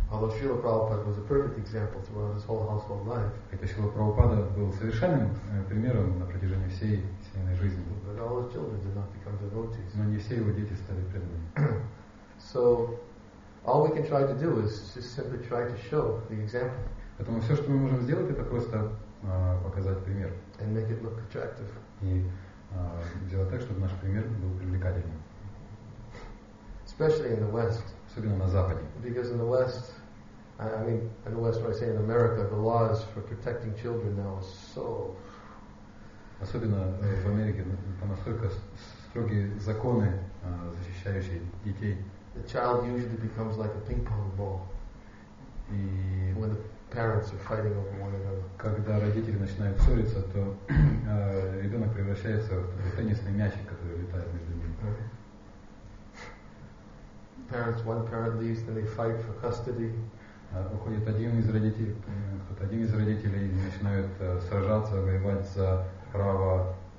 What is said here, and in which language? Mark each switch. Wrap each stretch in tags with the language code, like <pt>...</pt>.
<en>Although Śrīla Prabhupāda was a perfect example throughout his whole household life.</en> <ru>Хотя Śrīla Prabhupāda был совершенным примером на протяжении всей семейной жизни.</ru> <en>But all his children did not become devotees.</en> <ru>Но не все его дети стали преданными.</ru> <en>So, all we can try to do is just simply try to show the example.</en> <ru>Поэтому все, что мы можем сделать, это просто показать пример.</ru> <en>And make it look attractive.</en> <ru>И сделать так, чтобы наш пример был привлекательным.</ru> <en>Especially in the West.</en> <ru>Особенно на Западе.</ru> <en>Because in the West, in the West, when I say in America, the laws for protecting children now are so.</en> <ru>Особенно в Америке там настолько строгие законы, защищающие детей.</ru> <en>The child usually becomes like a ping-pong ball.</en> <ru>И</ru> <en>when the parents are fighting over one another.</en> <ru>Когда родители начинают ссориться, то ребенок превращается в такой теннисный мячик, который летает между ними.</ru> <en>Parents, one parent leaves, then they fight for custody.</en> <ru>Уходит один из родителей, кто-то один из родителей начинают сражаться, воевать за право</ru>